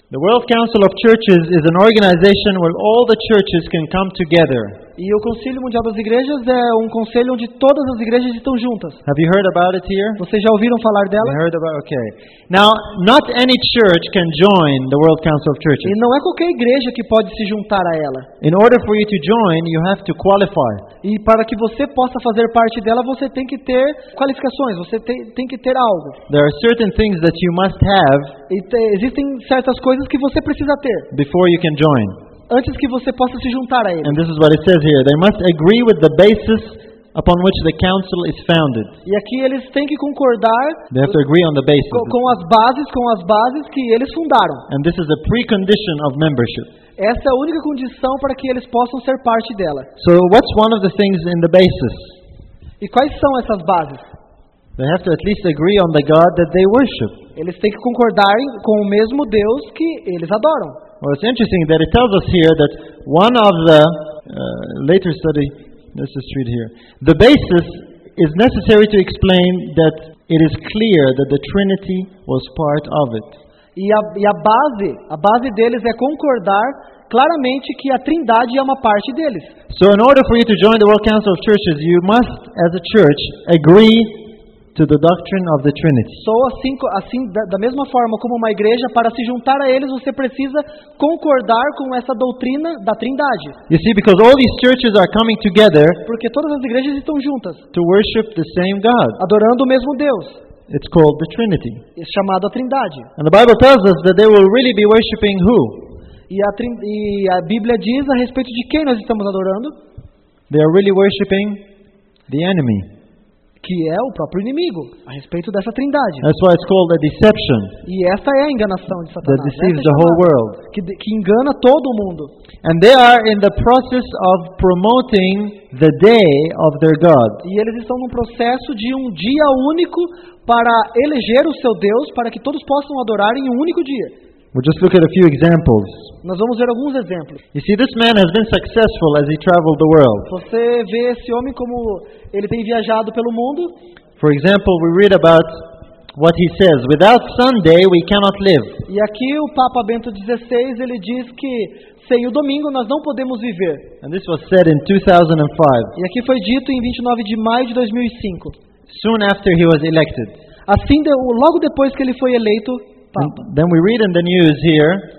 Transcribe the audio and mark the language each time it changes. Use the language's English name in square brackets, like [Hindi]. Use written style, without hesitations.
[English] The World Council of Churches is an organization where all the churches can come together. [Portuguese] E o Conselho Mundial das Igrejas é um conselho onde todas as igrejas estão juntas. [English] Have you heard about it here? [Portuguese] Vocês já ouviram falar dela? [English] I heard about, okay. Now, not any church can join the World Council of Churches. [Portuguese] E não é qualquer igreja que pode se juntar a ela. [English] In order for you to join, you have to qualify. [Portuguese] E para que você possa fazer parte dela, você tem que ter qualificações, você tem que ter algo. [English] There are certain things that you must have. [Portuguese] Existem certas coisas que você precisa ter. [English] Before you can join. [Portuguese] Antes que você possa se juntar a ele. [English] And this is what it says here. They must agree with the basis upon which the council is founded. [Portuguese] E aqui eles têm que concordar. [English] They have to agree on the basis. [Portuguese] Com as bases que eles fundaram. [English] And this is a precondition of membership. [Portuguese] Essa é a única condição para que eles possam ser parte dela. [English] So what's one of the things in the basis? [Portuguese] E quais são essas bases? [English] They have to at least agree on the God that they worship. [Portuguese] Eles têm que concordar com o mesmo Deus que eles adoram. [English] Well, it's interesting that it tells us here that one of the later study, let's just read here. The basis is necessary to explain that it is clear that the Trinity was part of it. [Portuguese] E a base deles é concordar claramente que a Trindade é uma parte deles. [English] So in order for you to join the World Council of Churches, you must, as a church, agree to the doctrine of the Trinity. [Portuguese] Só assim da mesma forma como uma igreja, para se juntar a eles, você precisa concordar com essa doutrina da Trindade. [English] You see, because all these churches are coming together. [Portuguese] Porque todas as igrejas estão juntas. [English] To worship the same God. [Portuguese] Adorando o mesmo Deus. [English] It's called the Trinity. [Portuguese] É chamado a Trindade. [English] And the Bible tells us that they will really be worshiping who? [Portuguese] E a Bíblia diz a respeito de quem nós estamos adorando? [English] They are really worshiping the enemy. [Portuguese] Que é o próprio inimigo, a respeito dessa Trindade. [English] That's why it's called a deception. [Portuguese] E essa é a enganação de Satanás. [English] That deceives the whole world. [Portuguese] Que engana todo mundo. [English] And they are in the process of promoting the day of their God. [Portuguese] E eles estão num processo de um dia único para eleger o seu Deus, para que todos possam adorar em um único dia. [English] We'll just look at a few examples. [Portuguese] Nós vamos ver alguns exemplos. [English] You see, this man has been successful as he traveled the world. [Portuguese] Você vê esse homem como ele tem viajado pelo mundo. [English] For example, we read about what he says: without Sunday, we cannot live. [Portuguese] E aqui o Papa Bento XVI ele diz que sem o domingo nós não podemos viver. [English] And this was said in 2005. [Portuguese] E aqui foi dito em 29 de maio de 2005. [English] Soon after he was elected. [Portuguese] Assim, logo depois que ele foi eleito. [English] And then we read in the news here.